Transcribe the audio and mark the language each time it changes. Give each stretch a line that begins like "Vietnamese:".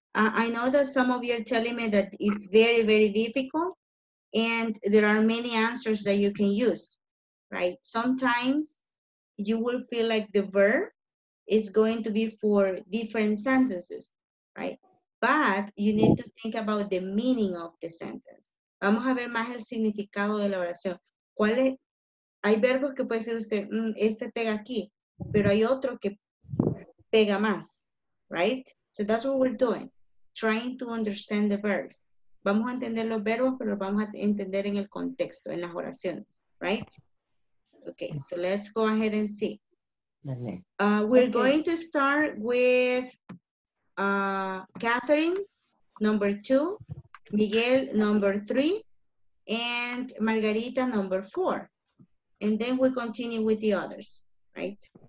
English: I know that some of you are telling me that it's very, very difficult, and there are many answers that you can use, right? Sometimes you will feel like the verb is going to be for different sentences, right? But you need to think about the meaning of the sentence.
Spanish: Vamos a ver más el significado de la oración. ¿Cuál es? Hay verbos que puede decir usted, este pega aquí, pero hay otro que pega más, right?
English: So that's what we're doing, trying to understand the verbs.
Spanish: Vamos a entender los verbos, pero vamos a entender en el contexto, en las oraciones, right?
English: Okay, so let's go ahead and see. We're going to start with Catherine, number 2, Miguel, number 3, and Margarita, number 4. And then we continue with the others, right?